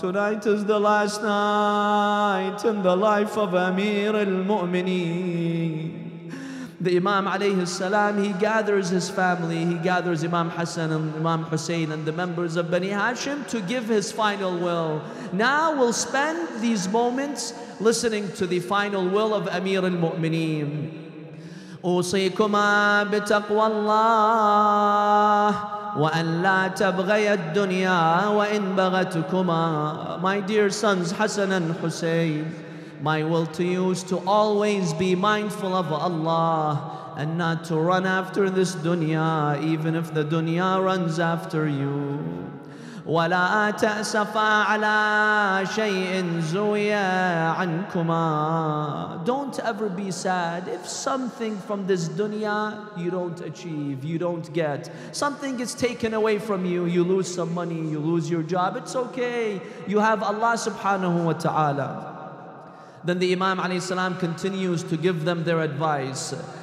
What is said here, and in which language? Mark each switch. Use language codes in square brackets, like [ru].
[en] Tonight is the last night in the life of Amir al-Mu'mineen. The Imam alayhi salam, he gathers his family, he gathers Imam Hassan and Imam Hussein and the members of Bani Hashim to give his final will. Now we'll spend these moments listening to the final will of Amir al-Mu'mineen. [ar] أوصيكما بتقوى الله وأن لا تبغي الدنيا وإن بغتكما. [en] My dear sons Hassan and Hussein, my will to you is to always be mindful of Allah and not to run after this dunya, even if the dunya runs after you. [ar] ولا تأسفا على شيء زوي عنكما. [en] Don't ever be sad if something from this dunya you don't achieve, you don't get. Something is taken away from you, you lose some money, you lose your job. It's okay, you have Allah subhanahu wa ta'ala. Then the Imam alayhi salam continues to give them their advice.